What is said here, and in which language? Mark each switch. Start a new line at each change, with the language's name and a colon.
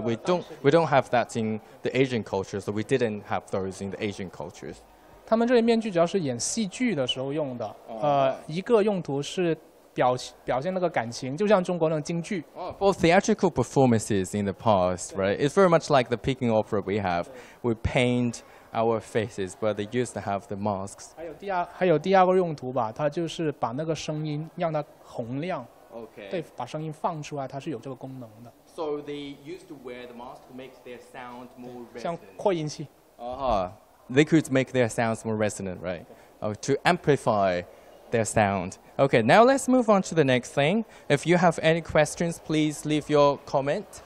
English: We don't have that in the Asian cultures, so we didn't have those in the Asian cultures.
Chinese: 他们这些面具主要是演戏剧的时候用的。一个用途是。表现那个感情，就像中国那种京剧。
English: For theatrical performances in the past, right? It's very much like the Peking opera we have. We paint our faces, but they used to have the masks.
Chinese: 还有第二个用途吧，它就是把那个声音让它洪亮。
English: Okay.
Chinese: 对，把声音放出来，它是有这个功能的。
English: So they used to wear the mask to make their sound more resonant.
Chinese: 像扩音器。
English: They could make their sounds more resonant, right? To amplify. Their sound. Okay, now let's move on to the next thing. If you have any questions, please leave your comment.